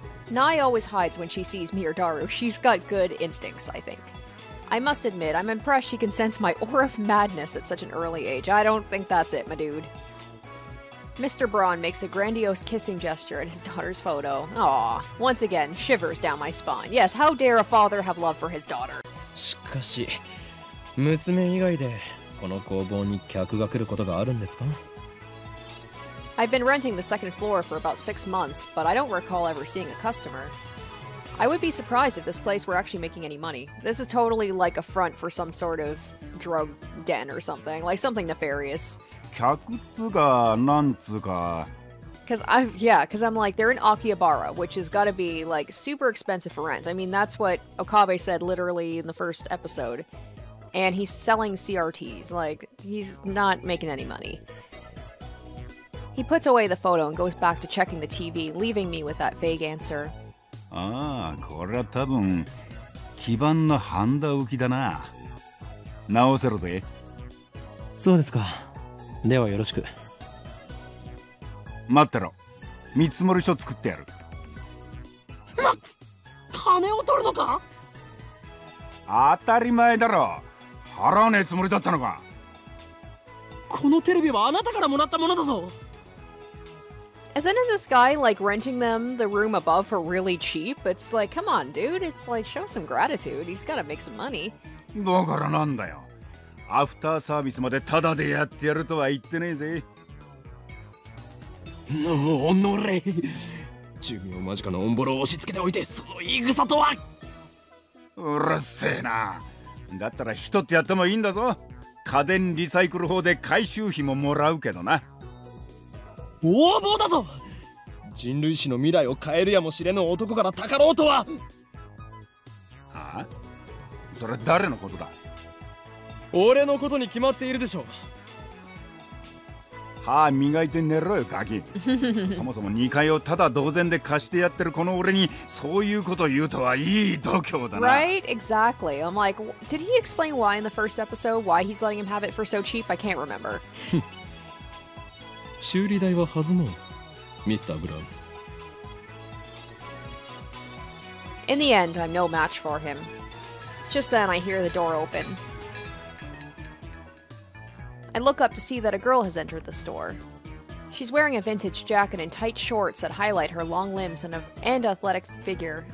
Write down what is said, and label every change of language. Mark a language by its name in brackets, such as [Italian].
[English] Nai always hides when she sees me or Daru. She's got good instincts, I think. I must admit, I'm impressed she can sense my aura of madness at such an early age. I don't think that's it, my dude. Mr. Braun makes a grandiose kissing gesture at his daughter's photo. Aww. Once again, shivers down my spine. Yes, how dare a father have love for his daughter? [Japanese] しかし、娘以外でこの工房に客が来ることがあるんですか? [English] I've been renting the second floor for about 6 months, but I don't recall ever seeing a customer. I would be surprised if this place were actually making any money. This is totally like a front for some sort of drug den or something, like something nefarious. [Japanese] 客つか、なんつか。 [English] Because I'm like, they're in Akihabara, which has got to be like super expensive for rent. I mean, that's what Okabe said literally in the first episode. And he's selling CRTs, like he's not making any money. He puts away the photo and goes back to checking the TV, leaving me with that vague answer. [Japanese] Ah, これは多分基板のハンダ浮きだな。直せろぜ。そうですか。ではよろしく。待ってろ。見積もり書作ってやる。ま、金を取るのか? 当たり前だろ。払わねえつもりだったのか。このテレビはあなたからもらったものだぞ。 [English] Isn't this guy like renting them the room above for really cheap? It's like, come on, dude. It's like, show some gratitude. He's gotta make some money. [Japanese] だからなんだよ。アフターサービスまでタダでやってやるとは言ってねえぜ。おのれ、寿命間近のオンボロを押し付けておいて、その言い草とは。うるせえな。だったら人ってやってもいいんだぞ。家電リサイクル法で回収費ももらうけどな。横暴だぞ。人類史の未来を変えるやもしれぬ男からたかろうとは。はあ、それ誰のことだ。俺のことに決まっているでしょう。歯磨いて寝ろよガキ。そもそも2階をただ同然で貸してやってるこの俺にそういうこと言うとはいい度胸だな。 [English] Right, exactly. I'm like, did he explain why in the first episode why he's letting him have it for so cheap? I can't remember. [Japanese] 修理代は弾もう、ミスターブラウン。 [English] In the end, I'm no match for him. Just then, I hear the door open. I look up to see that a girl has entered the store. She's wearing a vintage jacket and tight shorts that highlight her long limbs and athletic figure.